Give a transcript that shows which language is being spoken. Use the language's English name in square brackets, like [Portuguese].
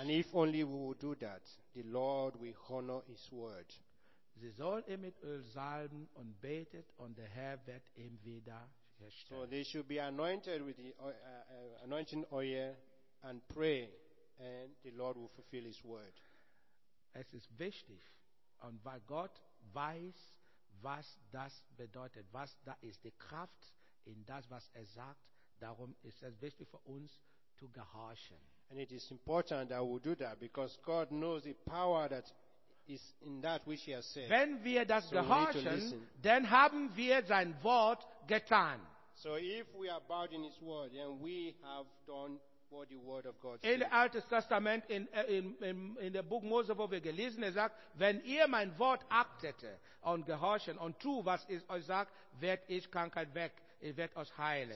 [English] And if only we will do that, the Lord will honor his word. [German] Sie soll ihn mit Öl salben und betet und der Herr wird ihm wieder herstellen. [English] So they should be anointed with the anointing oil and pray and the Lord will fulfill his word. [German] Es ist wichtig und weil Gott weiß, was das bedeutet, was da ist, die Kraft in das, was er sagt, darum ist es wichtig für uns, zu gehorchen. [English] And it is important that we do that because God knows the power that is in that which he has said. [German] Wenn wir das so gehorchen, dann haben wir sein Wort getan. [English] So if we are bowed in his word, then we have done what the word of God said. [German] In the Altes Testament, in der Buch Mose, wo wir gelesen, er sagt, wenn ihr mein Wort achtet und gehorchen und tu, was ich euch sage, werde ich Krankheit weg. Er wird uns heilen.